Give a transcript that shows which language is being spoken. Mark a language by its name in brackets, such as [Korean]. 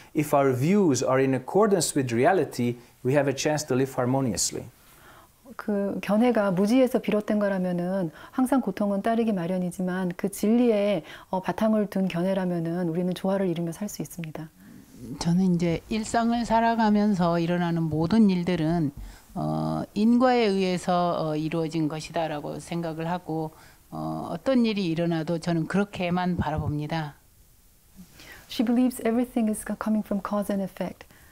[English] If our views are in accordance with reality, we have a chance to live harmoniously. [Korean] 그 견해가 무지에서 비롯된 거라면은 항상 고통은 따르기 마련이지만 그 진리에 바탕을 둔 견해라면은 우리는 조화를 이루며 살 수 있습니다. 저는 이제 일상을 살아가면서 일어나는 모든 일들은 인과에 의해서 이루어진 것이다라고 생각을 하고 어떤 일이 일어나도 저는 그렇게만 바라봅니다. [English] She believes everything is coming from cause and effect.